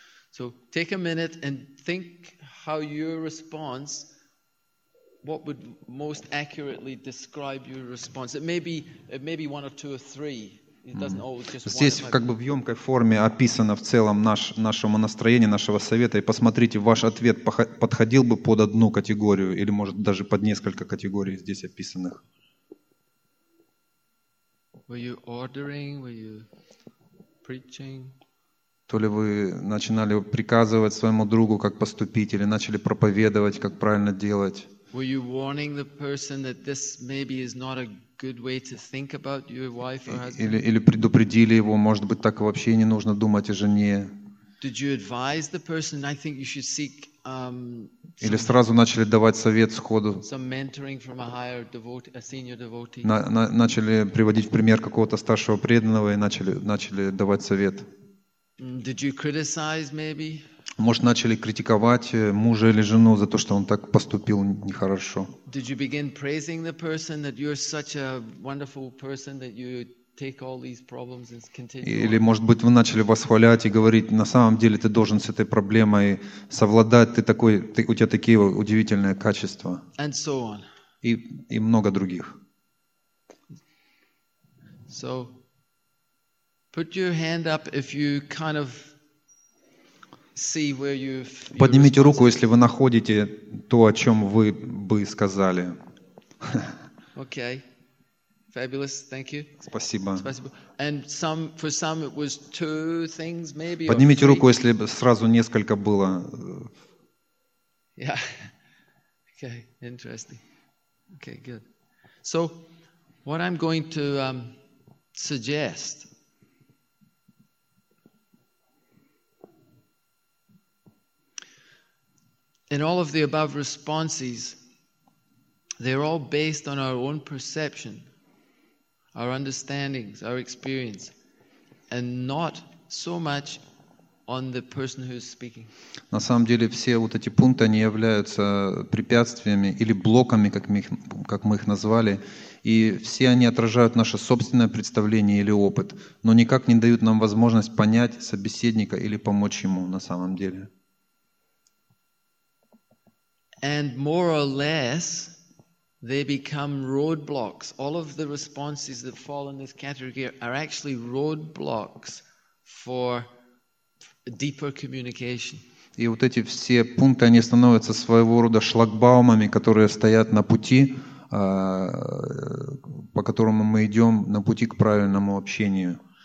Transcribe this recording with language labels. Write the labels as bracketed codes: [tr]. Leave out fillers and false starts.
[en] So take a minute and think how your response, what would most accurately describe your response. It may be one or two or three. [ru] Здесь как бы в емкой форме описано в целом наше настроение, нашего совета. И посмотрите, ваш ответ подходил бы под одну категорию или может даже под несколько категорий здесь описанных. [en] Were you ordering? Were you preaching? [ru] То ли вы начинали приказывать своему другу, как поступить, или начали проповедовать, как правильно делать. [en] Were you warning the person that this maybe is not a good way to think about your wife or husband? [ru] Или предупредили его, может быть, так вообще не нужно думать о жене? [en] Did you advise the person? I think you should seek. [ru] Или сразу начали давать совет сходу? [en] Some mentoring from a higher devotee, a senior devotee. [ru] Начали приводить в пример какого-то старшего преданного и начали давать совет. [en] Did you criticize maybe? [ru] Может, начали критиковать мужа или жену за то, что он так поступил нехорошо. [en] Did you begin praising the person that you're such a wonderful person that you take all these problems and continue? [ru] Или, может быть, вы начали восхвалять и говорить, на самом деле ты должен с этой проблемой совладать, у тебя такие удивительные качества. [en] And so on. [ru] И много других. [en] So, put your hand up if you kind of see where you've. [ru] Поднимите руку, если вы находите то, о чем вы бы сказали. [en] Okay, fabulous, thank you. [ru] Спасибо. [en] And some for some it was two things maybe. [ru] Поднимите руку, если сразу несколько было. [en] Yeah. Okay, interesting. Okay, good. So, what I'm going to suggest And all of the above responses, they're all based on our own perception, our understandings, our experience, and not so much on the person who is speaking. [ru] На самом деле все вот эти пункты, они являются препятствиями или блоками, как мы их назвали, и все они отражают наше собственное представление или опыт, но никак не дают нам возможность понять собеседника или помочь ему на самом деле. [en] And more or less, they become roadblocks. All of the responses that fall in this category are actually roadblocks for deeper communication. [ru] И вот эти все пункты, они становятся своего рода шлагбаумами, которые стоят на пути, по которому мы идем, на пути к правильному общению.